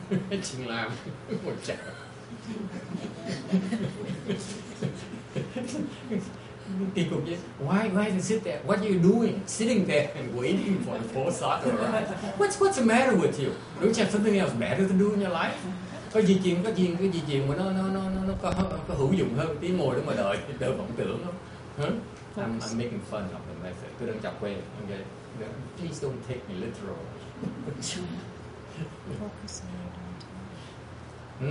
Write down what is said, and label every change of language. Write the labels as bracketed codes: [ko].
[vi] Chuyện làm một chợ tìm cục chứ. [en] Why do you sit there? What are you doing? Sitting there and waiting for the false thought to arise. What's the matter with you? Don't you have something else better to do in your life? [vi] Có gì chuyện mà nó có hữu dụng hơn tí ngồi đó mà đợi đỡ vọng tưởng không? [en] Huh? I'm making fun of the method. [vi] Tôi đang chọc quê. [en] Okay. Please don't take me literal. Focus on your